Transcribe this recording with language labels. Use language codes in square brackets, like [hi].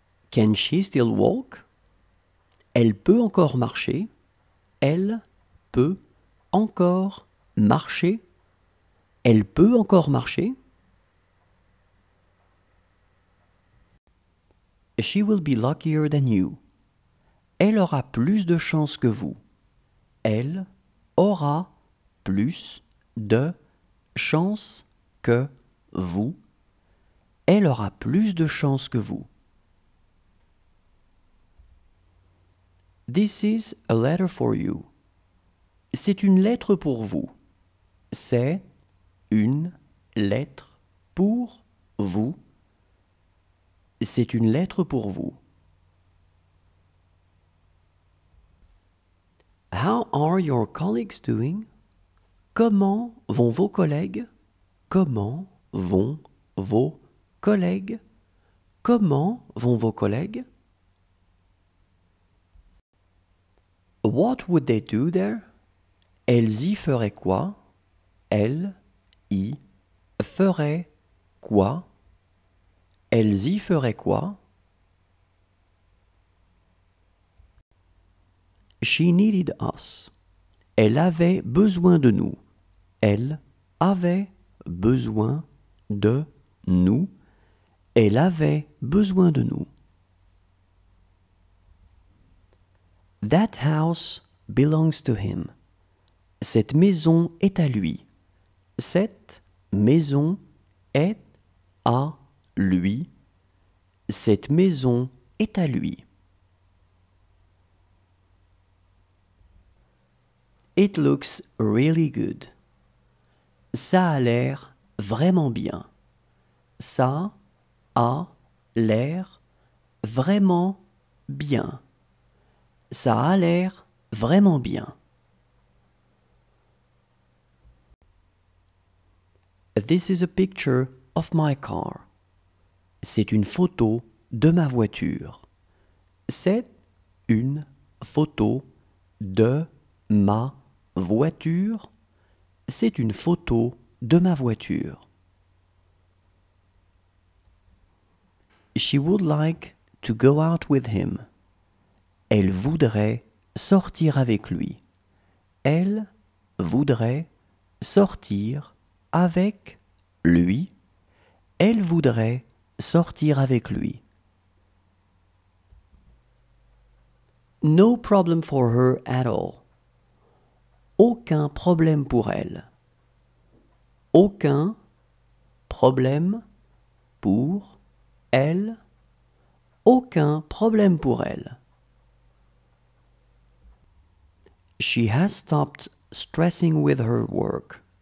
[en] Can she still walk? [fr] Elle peut encore marcher. Elle peut encore marcher. Elle peut encore marcher. [en] She will be luckier than you. [fr] Elle aura plus de chance que vous. Elle aura plus de chance que vous. Elle aura plus de chance que vous. [en] This is a letter for you. [fr] C'est une lettre pour vous. C'est une lettre pour vous. C'est une lettre pour vous. [en] How are your colleagues doing? [fr] Comment vont vos collègues? Comment vont vos collègues? Comment vont vos collègues? Comment vont vos collègues? [en] What would they do there? [fr] Elles y feraient quoi? Elles y feraient quoi? Elles y feraient quoi? [en] She needed us. [fr] Elle avait besoin de nous. Elle avait besoin de nous. Elle avait besoin de nous. [en] That house belongs to him. [fr] Cette maison est à lui. Cette maison est à lui. Cette maison est à lui. [en] It looks really good. [fr] Ça a l'air vraiment bien. Ça a l'air vraiment bien. Ça a l'air vraiment bien. [en] This is a picture of my car. [fr] C'est une photo de ma voiture. C'est une photo de ma voiture. C'est une photo de ma voiture. [en] She would like to go out with him. [fr] Elle voudrait sortir avec lui. Elle voudrait sortir avec lui. Elle voudrait sortir avec lui. [en] No problem for her at all. [fr] Aucun problème pour elle. Aucun problème pour elle. Aucun problème pour elle. [en] She has stopped stressing with her work.